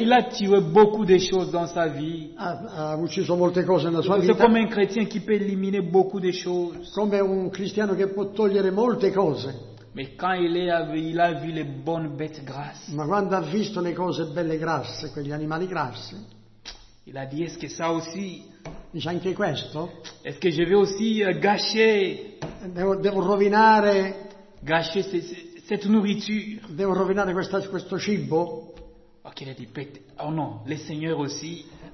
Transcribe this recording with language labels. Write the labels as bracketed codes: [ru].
[fr] Il a tué beaucoup de choses dans sa vie. [it] Ha ucciso molte cose nella sua [fr] c'est [it] vita. [fr] C'est comme un chrétien qui peut éliminer beaucoup de choses. [it] Come un cristiano che può togliere molte cose. [fr] Mais quand il a vu les bonnes bêtes grasses. [it] Ma quando ha visto le cose belle grasse, quegli animali grassi. [fr] Il a dit est-ce que ça aussi. [it] Dice anche questo. [fr] Est-ce que je vais aussi gâcher. [it] Devo rovinare. [fr] Gâcher cette nourriture. [it] Devo rovinare questo cibo. [fr] Ok, il a dit, oh non, le Seigneur aussi.